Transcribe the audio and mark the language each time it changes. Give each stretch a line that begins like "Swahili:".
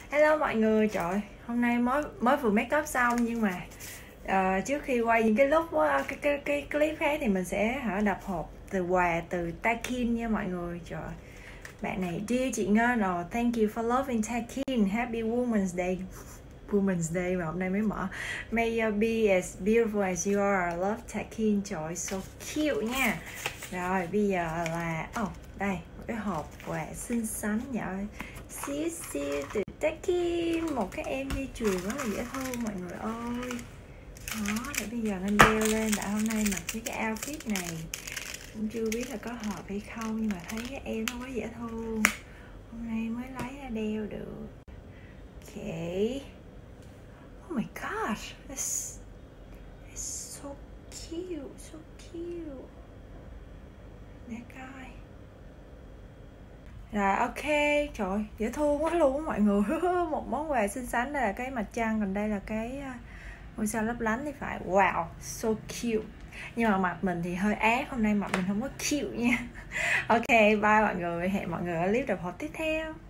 Vietnamese: Hello mọi người, trời ơi, hôm nay mới mới vừa make up xong nhưng mà trước khi quay những cái lúc cái clip khác thì mình sẽ đập hộp từ quà từ Takin nha mọi người. Trời ơi, bạn này dear chị Ngân rồi,
English: thank you for loving Takin, happy Women's Day.
Vietnamese: Women's Day mà hôm nay mới mở.
English: May you be as beautiful as you are, I love Takin,
Vietnamese: trời ơi,
English: so cute nha.
Vietnamese: Rồi bây giờ là, đây, một cái hộp quà xinh xắn nhỏ xíu xíu từ Takin, một cái MV chuyền rất là dễ thương mọi người ơi. Đó, để bây giờ nên đeo lên, đã hôm nay mặc cái outfit này cũng chưa biết là có hợp hay không, nhưng mà thấy cái em nó quá dễ thương, hôm nay mới lấy ra đeo được.
English: Ok, oh my gosh, it's so cute, so cute.
Vietnamese: Để coi. Rồi ok, trời dễ thương quá luôn á mọi người. Một món quà xinh xắn, đây là cái mặt trăng, còn đây là cái ngôi sao lấp lánh thì phải.
English: Wow, so cute.
Vietnamese: Nhưng mà mặt mình thì hơi ác, hôm nay mặt mình không có cute nha. Ok, bye mọi người, hẹn mọi người ở clip đập hộp tiếp theo.